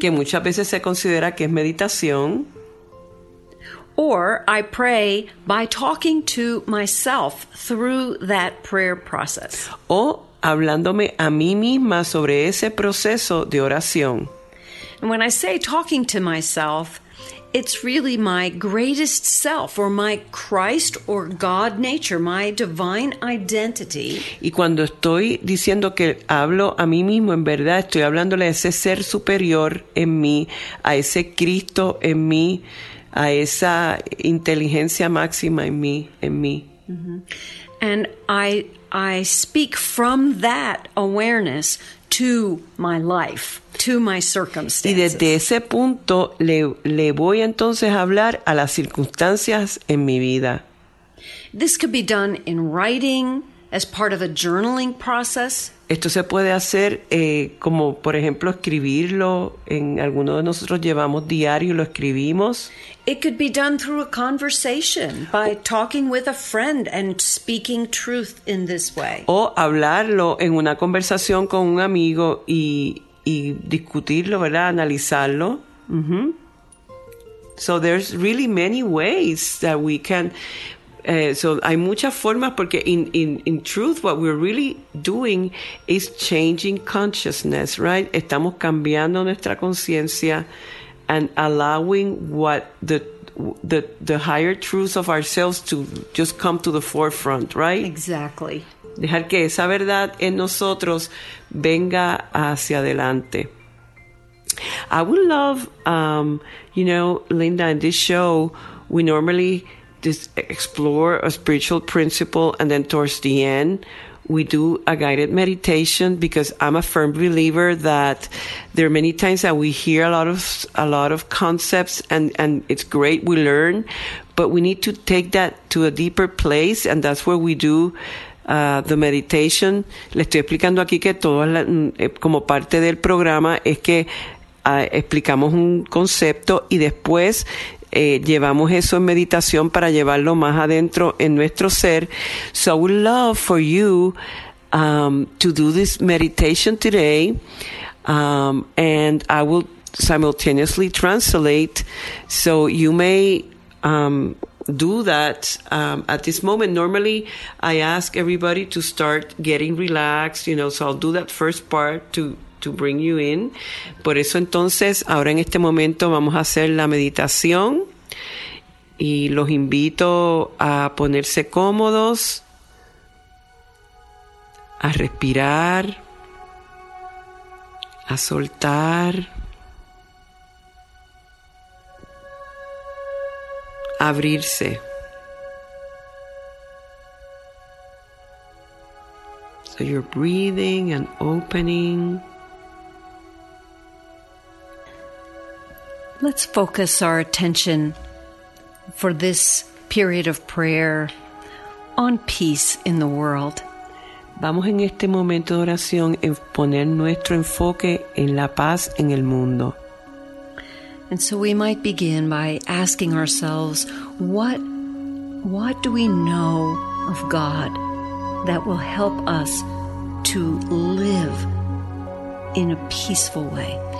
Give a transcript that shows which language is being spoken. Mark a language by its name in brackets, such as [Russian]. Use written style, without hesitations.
[Spanish] Que muchas veces se considera que es meditación. [English] Or I pray by talking to myself through that prayer process. [Spanish] O hablándome a mí misma sobre ese proceso de oración. [English] And when I say talking to myself, it's really my greatest self or my Christ or God nature, my divine identity. [Spanish] Y cuando estoy diciendo que hablo a mí mismo, en verdad estoy hablándole a ese ser superior en mí, a ese Cristo en mí, a esa inteligencia máxima en mí, en mí. Mm-hmm. [English] And I speak from that awareness to my life, to my circumstances. [Spanish] Y desde ese punto le voy entonces a hablar a las circunstancias en mi vida. [English] This could be done in writing as part of a journaling process. [Spanish] Esto se puede hacer como, por ejemplo, escribirlo. En alguno de nosotros llevamos diario y lo escribimos. [English] It could be done through a conversation, by talking with a friend and speaking truth in this way. [Spanish] O hablarlo en una conversación con un amigo y discutirlo, ¿verdad? Analizarlo. Mm-hmm. [English] So there's really many ways that we can... So [Spanish] hay muchas formas porque [English] in truth what we're really doing is changing consciousness, right? [Spanish] Estamos cambiando nuestra conciencia [English] and allowing what the higher truths of ourselves to just come to the forefront, right? Exactly. [Spanish] Dejar que esa verdad en nosotros venga hacia adelante. [English] I would love, you know, Linda, in this show, we normally... this explore a spiritual principle, and then towards the end we do a guided meditation, because I'm a firm believer that there are many times that we hear a lot of concepts and it's great, we learn, but we need to take that to a deeper place, and that's where we do the meditation. [Spanish] Le estoy explicando aquí que todo como parte del programa es que explicamos un concepto y después llevamos eso en meditación para llevarlo más adentro en nuestro ser. [English] So I would love for you to do this meditation today, and I will simultaneously translate, so you may do that at this moment. Normally I ask everybody to start getting relaxed, you know, so I'll do that first part to bring you in. [Spanish] Por eso entonces ahora en este momento vamos a hacer la meditación y los invito a ponerse cómodos, a respirar, a soltar, a abrirse. [English] So you're breathing and opening. Let's focus our attention for this period of prayer on peace in the world. [Spanish] Vamos en este momento de oración a poner nuestro enfoque en la paz en el mundo. [English] And so we might begin by asking ourselves, what do we know of God that will help us to live in a peaceful way?